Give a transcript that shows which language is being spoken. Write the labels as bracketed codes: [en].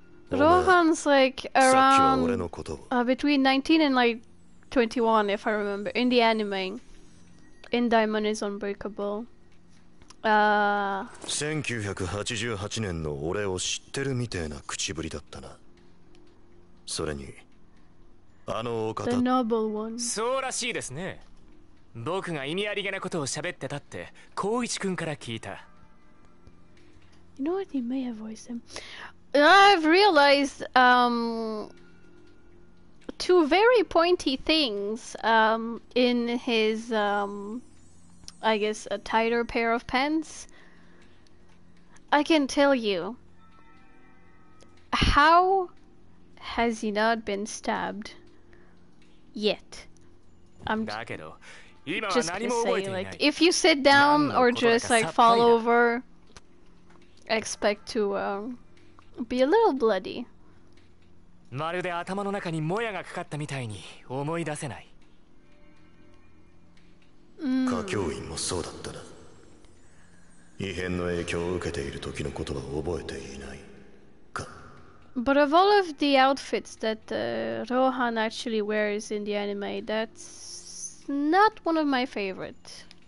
[en] Rohan's like around between 19 and like 21, if I remember, in the anime. In Diamond is Unbreakable. [ja] 1988年の俺を知ってるみてえな口ぶりだったな。それにあのお方。 [en] The noble one. [ja] そうらしいですね。僕が意味ありげなことを喋ってたって光一君から聞いた。 [en] You know what, he may have voiced him. I've realized two very pointy things in his I guess a tighter pair of pants. I can tell you, how has he not been stabbed yet? I'm just gonna say, like, if you sit down or just like fall over, expect to be a little bloody. [ja] まるで頭の中にもやがかかったみたいに思い出せない。家教員もそうだったな。異変の影響を受けている時のことは覚えていないか。 [en] But of all of the outfits that Rohan actually wears in the anime, that's not one of my favorite.